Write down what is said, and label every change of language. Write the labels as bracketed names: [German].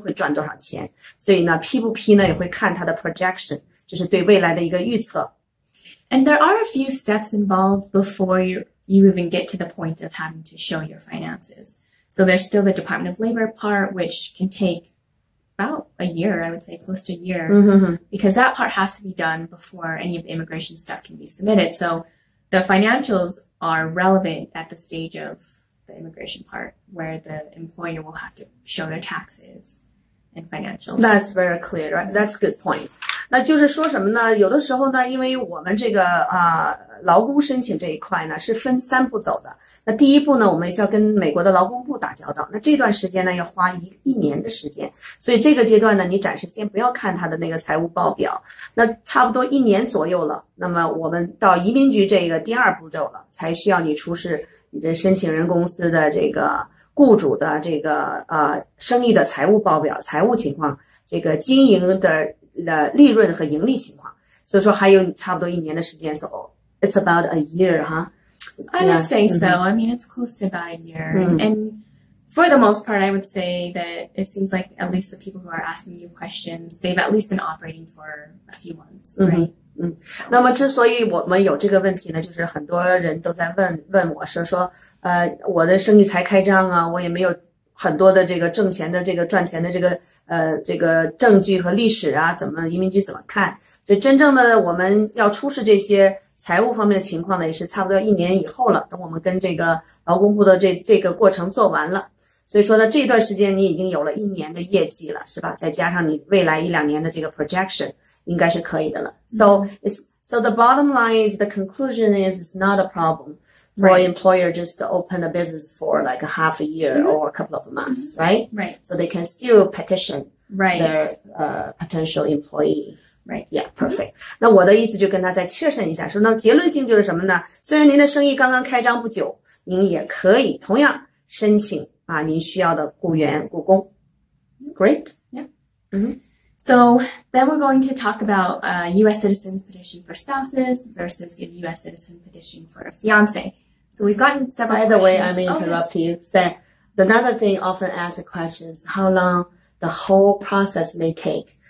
[Chinese] 所以说，虽然您才开了几个月，开了半年或者是8个月，可能是这个时间比较短，但是移民局可以看你的这个生意在未来的一两年当中或者3年当中会赚多少钱。所以呢，批不批呢，也会看它的 projection， 就是对未来的一个预测。 [English] And there are a few steps involved before you even get to the point of having to show your finances. So there's still the Department of Labor part, which can take about a year, I would say close to a year, because that part has to be done before any of the immigration stuff can be submitted. So the financials are relevant at the stage of the immigration part where the employer will have to show their taxes and financials. That's very clear, right? That's a good point. [Chinese] 那就是说什么呢？有的时候呢，因为我们这个劳工申请这一块呢是分三步走的。那第一步呢，我们需要跟美国的劳工部打交道。那这段时间呢，要花一年的时间。所以这个阶段呢，你暂时先不要看他的那个财务报表。那差不多一年左右了，那么我们到移民局这个第二步骤了，才需要你出示你的申请人公司的这个雇主的这个生意的财务报表、财务情况、这个经营的利润和盈利情况。所以说还有差不多一年的时间走。 [English] It's about a year, huh? I would say so. I mean, it's close to about a year. And for the most part, I would say that it seems like at least the people who are asking you questions, they've at least been operating for a few months, right? [Chinese] 那么之所以我们有这个问题呢，就是很多人都在问我说我的生意才开张啊，我也没有很多的这个挣钱的这个赚钱的这个这个证据和历史啊，怎么移民局怎么看？所以真正的我们要出示这些财务方面的情况呢，也是差不多一年以后了。等我们跟这个劳工部的这个过程做完了，所以说呢，这段时间你已经有了一年的业绩了，是吧？再加上你未来一两年的这个 projection， 应该是可以的了。 [English] So the bottom line is the conclusion is it's not a problem for an employer just to open a business for like a half a year or a couple of months, right? Right. So they can still petition their potential employee. Right. Yeah, perfect. [Chinese] 那我的意思就跟他再确认一下，说那结论性就是什么呢？虽然您的生意刚刚开张不久，您也可以同样申请啊，您需要的雇员、雇工。 [English] Great. Yeah. So then we're going to talk about U.S. citizens petition for spouses versus a U.S. citizen petition for a fiance. So we've gotten several. By the way, I may interrupt you. Say another thing. Often asked questions: how long the whole process may take?